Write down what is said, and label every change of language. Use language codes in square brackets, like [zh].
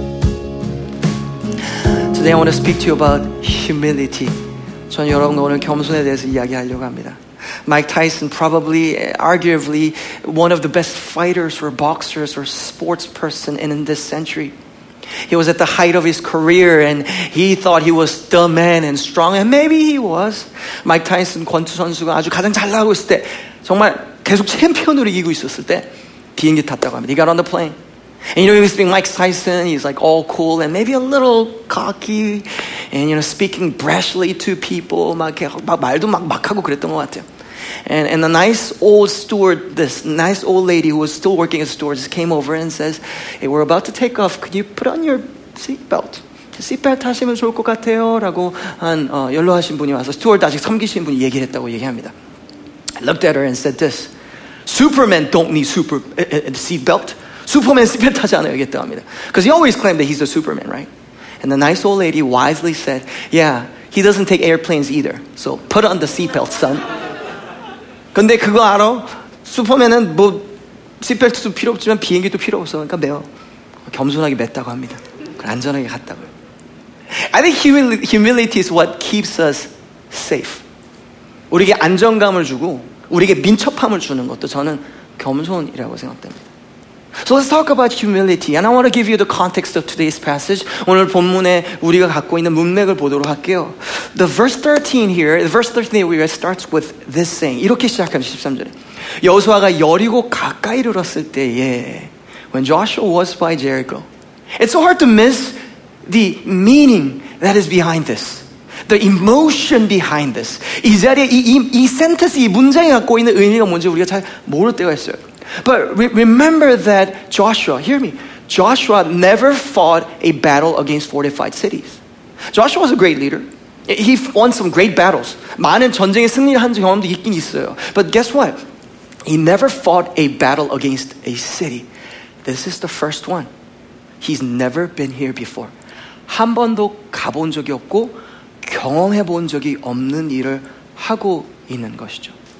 [en] Today I want to speak to you about humility. [ko] 전 여러분과 오늘 겸손에 대해서 이야기하려고 합니다. [en] Mike Tyson, probably, arguably, one of the best fighters or boxers or sports person in this century. He was at the height of his career and he thought he was the man and strong. And maybe he was. [ko] Mike Tyson, 권투 선수가 아주 가장 잘 나가고 있을 때, 정말 계속 챔피언으로 이기고 있었을 때, 비행기 탔다고 합니다. [en] He got on the plane. And you know, he was being Mike Tyson, he's like all cool and maybe a little cocky and you know, speaking brashly to people, [ko] 막 이렇게, 막 말도 막, 막 하고 그랬던 것 같아요. [en] And a nice old stewardess, nice old lady who was still working as a stewardess came over and says, hey, we're about to take off, could you put on your seatbelt? [ko] Seatbelt 하시면 좋을 것 같아요 라고 한 연로하신 분이 와서 스튜어드 아직 섬기신 분이 얘기를 했다고 얘기합니다. [en] I looked at her and said this, Superman don't need seatbelt. [ko] Superman 시벨트 하지 않아요 이랬다고 합니다. [en] Because he always claimed that he's a Superman, right? And the nice old lady wisely said, yeah, he doesn't take airplanes either. So put on the seatbelt, son. [ko] 근데 그거 알아? 슈퍼맨은 뭐 시벨트도 필요 없지만 비행기도 필요 없어. 그러니까 매어. 겸손하게 맸다고 합니다. 안전하게 갔다고요. [en] I think humility is what keeps us safe. [ko] 우리에게 안정감을 주고 우리에게 민첩함을 주는 것도 저는 겸손이라고 생각됩니다. [en] So let's talk about humility. And I want to give you the context of today's passage. [ko] 오늘 본문에 우리가 갖고 있는 문맥을 보도록 할게요. [en] The verse 13 here, the verse 13 that we read starts with this saying. [ko] 이렇게 시작합니다. 13절에. 여호수아가 여리고 가까이 이르렀을 때에, [en] when Joshua was by Jericho. It's so hard to miss the meaning that is behind this. The emotion behind this. [ko] 이 자리에 이 sentence, 이 문장이 갖고 있는 의미가 뭔지 우리가 잘 모를 때가 있어요. [en] But remember that Joshua, hear me, Joshua never fought a battle against fortified cities. Joshua was a great leader. He won some great battles. [ko] 많은 전쟁에 승리한 경험도 있긴 있어요. [en] But guess what? He never fought a battle against a city. This is the first one. He's never been here before. [ko] 한 번도 가본 적이 없고 경험해본 적이 없는 일을 하고 있는 것이죠.